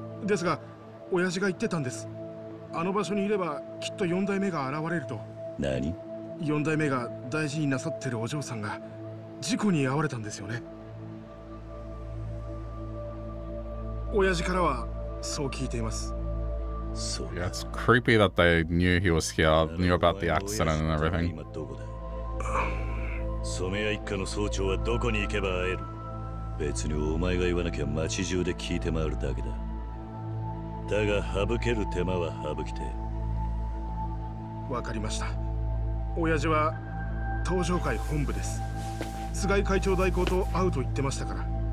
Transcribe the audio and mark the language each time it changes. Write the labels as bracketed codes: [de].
[ja] ご無礼をお許しください、四代目。親父からの命令だったんです。四代目を影からお守りするようにって。俺は昨日までずっと鎌倉町を離れていたし、今日来たことを東条会に知らせてもいない。なのに随分手際がいいな。なぜ俺があの場所にいると分かった。自分にはよく分かりません。ですが、親父が言ってたんです。あの場所にいればきっと四代目が現れると。何？四代目が大事になさってるお嬢さんが事故に遭われたんですよね。親父からはそう聞いています。 [en] Yeah, it's creepy that they knew he was here, knew about the accident and everything. [ja] Somea 一家の総長はどこに行けば会える。別にお前が言わなきゃ街中で聞いて回るだけだ。だが省ける手間は省きて。わかりました。親父は東上会本部です。菅井会長代行と会うと言ってましたから。